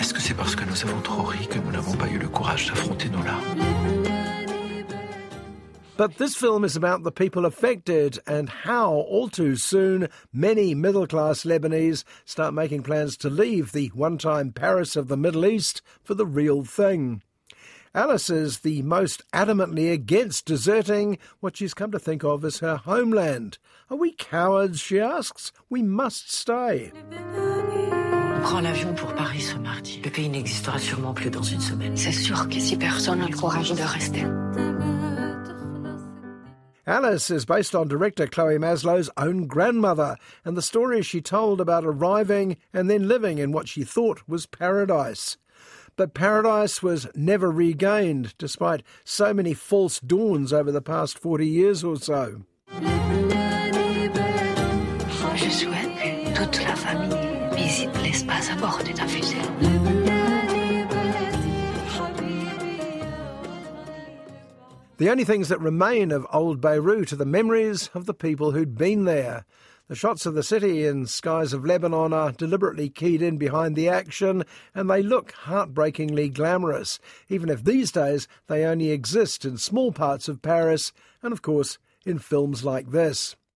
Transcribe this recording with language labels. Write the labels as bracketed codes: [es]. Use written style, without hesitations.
[fr] Est-ce que c'est parce que nous avons trop ri que nous n'avons pas eu le courage d'affronter nos larmes? [en] But this film is about the people affected and how, all too soon, many middle-class Lebanese start making plans to leave the one-time Paris of the Middle East for the real thing. Alice is the most adamantly against deserting what she's come to think of as her homeland. Are we cowards, she asks. We must stay. [fr] Prends l'avion pour Paris ce mardi. Le pays n'existera sûrement plus dans une semaine. C'est sûr que si personne n'a le courage de rester. [en] Alice is based on director Chloe Maslow's own grandmother and the story she told about arriving and then living in what she thought was paradise. But paradise was never regained, despite so many false dawns over the past 40 years or so. [fr] Je souhaite que toute la famille visite l'espace à bord de ta fusée. [en] The only things that remain of old Beirut are the memories of the people who'd been there. The shots of the city in Skies of Lebanon are deliberately keyed in behind the action, and they look heartbreakingly glamorous, even if these days they only exist in small parts of Paris, and of course, in films like this.